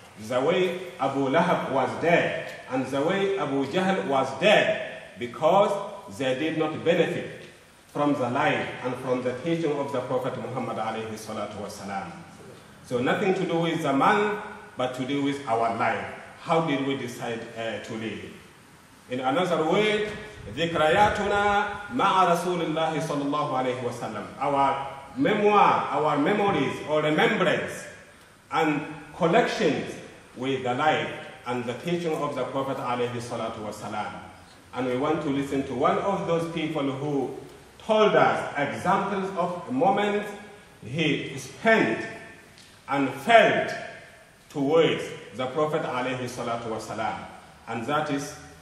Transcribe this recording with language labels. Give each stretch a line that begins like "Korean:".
English: The way Abu Lahab was dead, and the way Abu Jahl was dead, because they did not benefit from the life and from the teaching of the Prophet Muhammad alayhi salatu wasalam. So nothing to do with the man, but to do with our life. How did we decide to live? In another way,
Arabic: ذِكْرَيَاتُنَا مَعَ رَسُولِ اللَّهِ صَلَى اللَّهُ عَلَيْهِ وَسَلَّمُ.
English: Our memoir, our memories or remembrance and collections with the life and the teaching of the Prophet alayhi salatu wasalam. And we want to listen to one of those people who told us examples of moments he spent and felt towards the Prophet alayhi salatu wasalam. And that is